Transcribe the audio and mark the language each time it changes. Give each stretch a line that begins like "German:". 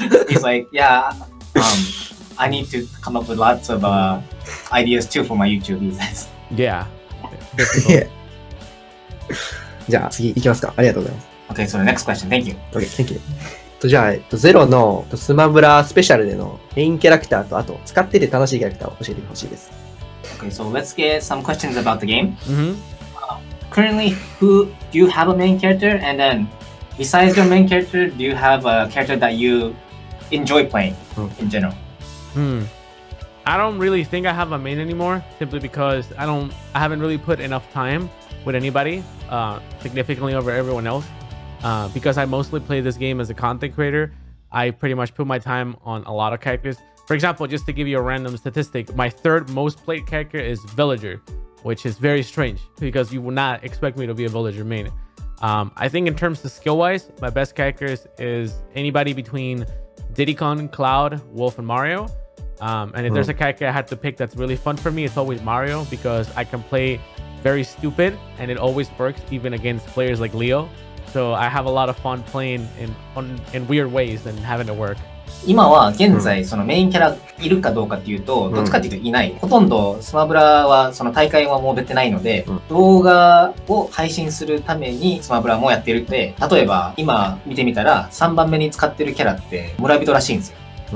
English: He's like, yeah, I need to come up with lots of ideas too for my YouTube business. Yeah.
Japanese: Yeah. じゃあ次いきますか。ありがとうございます。
English: Okay, so the next question. Thank you. Okay, thank you.
Japanese: とじゃあ、ゼロのスマブラスペシャルでのメインキャラクターと、あと使ってて楽しいキャラクターを教えてほしいです。
English: Okay, so let's get some questions about the game. Mm-hmm. Currently, who do you have a main character? And then, besides your main character, do you have a character that you enjoy playing in general? I don't really think I have a main anymore, simply because I haven't really put enough time with anybody, significantly over everyone else. Because I mostly play this game as a content creator, I pretty much put my time on a lot of characters. For example, just to give you a random statistic, my third most played character is Villager, which is very strange because you would not expect me to be a Villager main. I think in terms of skill-wise, my best characters is anybody between Diddy Kong, Cloud, Wolf, and Mario. And if there's a character I had to pick that's really fun for me, it's always Mario because I can play very stupid and it always works even against players like Leo. So I have a lot of fun playing in weird ways and having it work.
Japanese: 今は現在そのメインキャラいるかどうかっていうと、どっちかっていうといない。ほとんどスマブラはその大会はもう出てないので、動画を配信するためにスマブラもやってるって、例えば今見てみたら3番目に使ってるキャラって村人らしいんですよ。